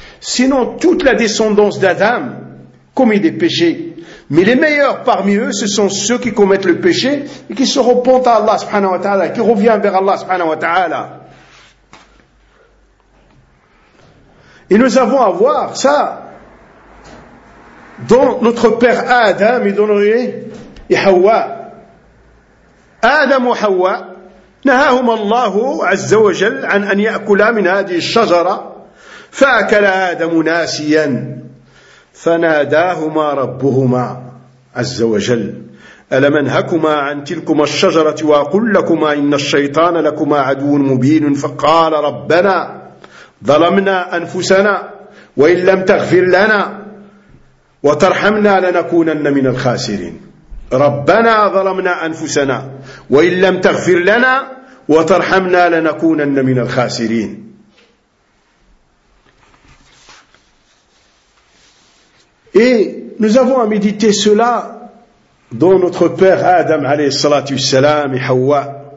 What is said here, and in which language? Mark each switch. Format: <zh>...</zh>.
<fr>Sinon, toute la descendance d'Adam commet des péchés, mais les meilleurs parmi eux, ce sont ceux qui commettent le péché et qui se repentent à Allah subhanahu wa ta'ala, qui reviennent vers Allah subhanahu wa ta'ala. Et nous avons à voir ça dans notre père Adam et dans nos et Hawa. Adam ou Hawa,</fr> <ar>نهاهما الله عز وجل عن أن يأكلا من هذه الشجرة، فأكل آدم ناسيا، فناداهما ربهما عز وجل: ألم أنهكما عن تلكما الشجرة وأقل لكما إن الشيطان لكما عدو مبين؟ فقال: ربنا ظلمنا أنفسنا وإن لم تغفر لنا وترحمنا لنكونن من الخاسرين. ربنا ظلمنا أنفسنا وإن لم تغفر لنا وترحمنا لنكونن من الخاسرين.</ar> <fr>Et nous avons à méditer cela dans notre père Adam alayhi salatu wassalam et Hawa.</fr>